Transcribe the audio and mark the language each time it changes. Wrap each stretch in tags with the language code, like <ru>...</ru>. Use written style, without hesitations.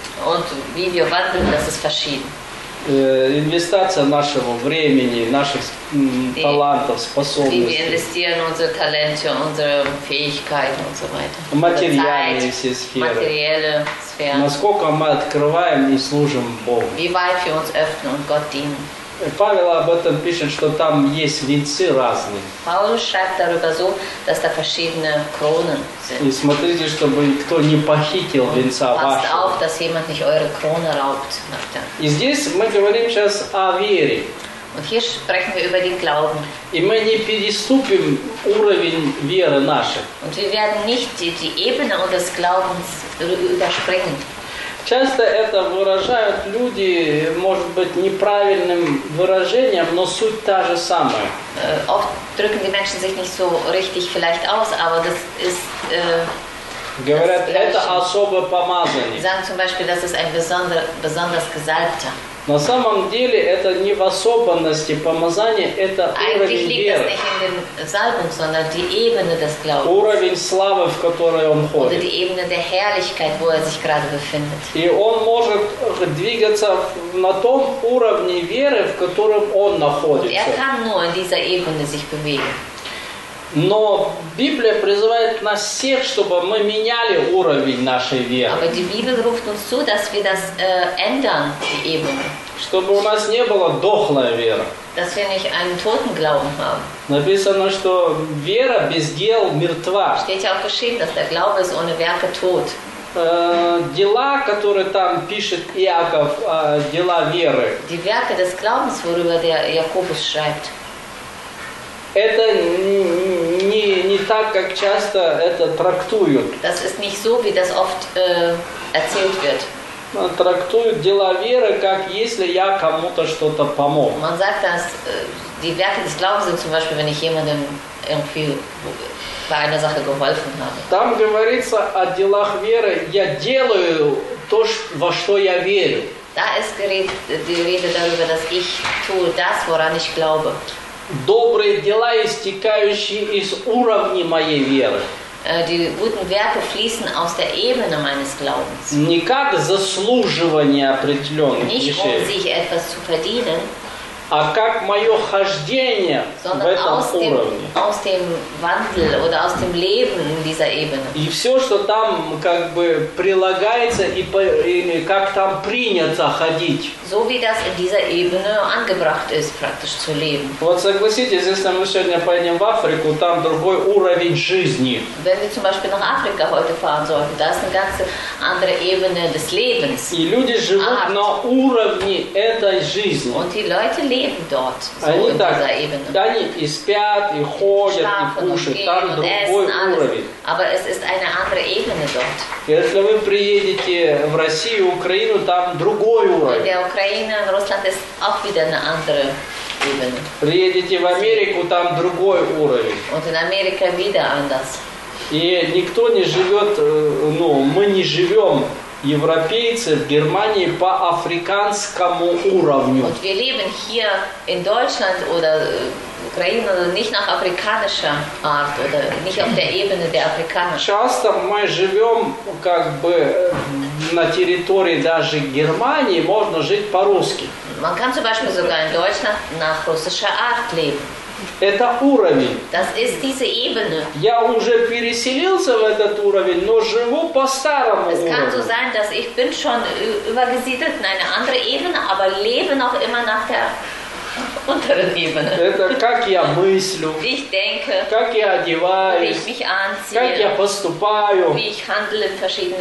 <de>Und wie wir wandeln, das ist verschieden.</de> <ru>Инвестиция нашего времени, наших талантов, способностей.</ru> <de>Wie wir investieren unsere Talente, unsere Fähigkeiten und so weiter.</de> <ru>Материальные все сферы.</ru> <de>Materielle Sphären.</de> <ru>Насколько мы открываем и служим Богу.</ru> <de>Wie weit wir uns öffnen und Gott dienen.</de> <ru>Павел об этом пишет, что там есть венцы разные.</ru> <de>Paulus schreibt darüber so, dass da verschiedene Kronen sind.</de> <ru>И смотрите, чтобы никто не похитил венца вашего.</ru> <de>Passt auf, dass jemand nicht eure Krone raubt.</de> <ru>И здесь мы говорим сейчас о вере.</ru> <de>Und hier sprechen wir über den Glauben.</de> <ru>И мы не переступим уровень веры нашей.</ru> <de>Und wir werden nicht die Ebene unseres Glaubens überspringen.</de> <ru>Часто это выражают люди, может быть, неправильным выражением, но суть та же самая.</ru> <de>Oft drücken die Menschen sich nicht so richtig vielleicht aus, aber das ist</de> <ru>Говорят, это особое помазание.</ru> <de>Sagen zum Beispiel, das ist ein besonders gesalbter.</de> <ru>На самом деле, это не в особенности помазания, это</ru> <de>Eigentlich</de> <ru>уровень</ru> <de>liegt das nicht in den Salbung, sondern die Ebene des Glaubens.</de> <ru>Уровень славы, в которой он ходит.</ru> <de>Oder die Ebene der Herrlichkeit, wo sich gerade befindet.</de> <ru>И он может двигаться на том уровне веры, в котором он находится.</ru> <de>Und kann nur in dieser Ebene sich bewegen.</de> <ru>Но Библия призывает нас всех, чтобы мы меняли уровень нашей веры.</ru> <de>Aber die Bibel ruft uns zu, dass wir das ändern, die Ebene.</de> <ru>Чтобы у нас не было дохлой веры.</ru> <de>Dass wir nicht einen toten Glauben haben.</de> <ru>Написано, что вера без дел мертва.</ru> <de>Steht ja auch geschrieben, dass der Glaube ist ohne Werke tot.</de> <ru>Дела, которые там пишет Иаков, дела веры.</ru> <de>Die Werke des Glaubens, worüber der Jakobus schreibt.</de> <ru>Это не так, как часто это трактуют.</ru> <de>Das ist nicht so, wie das oft erzählt wird.</de> <ru>Трактуют дела веры, как если я кому-то что-то помог.</ru> <de>Man sagt, dass die Werke des Glaubens sind zum Beispiel, wenn ich jemandem irgendwie bei einer Sache geholfen habe.</de> <ru>Там говорится о делах веры, я делаю то, во что я верю.</ru> <de>Da ist die Rede darüber, dass ich tue das, woran ich glaube.</de> <ru>Добрые дела, истекающие из уровня моей веры.</ru> <de>Die guten Werke fließen aus der Ebene meines Glaubens.</de> <ru>Не как заслуживание определенных</ru> <de>Nicht</de> <ru>вещей.</ru> <de>Nicht um sich etwas zu verdienen.</de> <ru>А как мое хождение в этом</ru> <de>aus dem,</de> <ru>уровне.</ru> <de>Aus dem Wandel oder aus dem Leben in dieser Ebene.</de> <ru>И все, что там как бы прилагается и как там принято ходить.</ru> <de>So wie das in dieser Ebene angebracht ist, praktisch zu leben.</de> <ru>Вот согласитесь, если мы сегодня поедем в Африку, там другой уровень жизни.</ru> <de>Wenn wir zum Beispiel nach Afrika heute fahren sollten, da ist eine ganz andere Ebene des Lebens.</de> <ru>И люди живут</ru> <de>Art.</de> <ru>На уровне этой жизни.</ru> <de>Und die Leute leben dort, so in dieser Ebene.</de> <ru>Они и спят, и ходят, и кушают. Там другой уровень.</ru> <de>Aber es ist eine andere Ebene dort.</de> <ru>Если вы приедете в Россию, Украину, там другой уровень.</ru> <de>In der Ukraine, in Russland ist auch wieder eine andere Ebene.</de> <ru>Приедете в Америку, там другой уровень.</ru> <de>Und in Amerika wieder anders.</de> <ru>И никто не живет, ну, мы не живем. Европейцы в Германии по африканскому уровню.</ru> <de>Und wir leben hier in Deutschland oder</de> <ru>Украине</ru> <de>nicht nach африканischer Art oder nicht auf der Ebene der Afrikaner.</de> <ru>Часто мы живем как бы на территории даже Германии можно жить по-русски.</ru> <de>Man kann zum Beispiel sogar in Deutschland nach russischer Art leben.</de> <ru>Это уровень.</ru> <de>Das ist diese Ebene.</de> <ru>Я уже переселился в этот уровень, но живу по старому</ru> <de>es kann</de> <ru>уровню.</ru> <de>So sein, dass ich bin schon übergesiedelt in eine andere Ebene, aber lebe noch immer nach der unteren Ebene.</de> <ru>Это как я мыслю.</ru> <de>Ich denke.</de> <ru>Как я одеваюсь.</ru> <de>Wie ich mich anziehe.</de> <ru>Как я поступаю.</ru> <de>Wie ich handle in verschiedenen</de>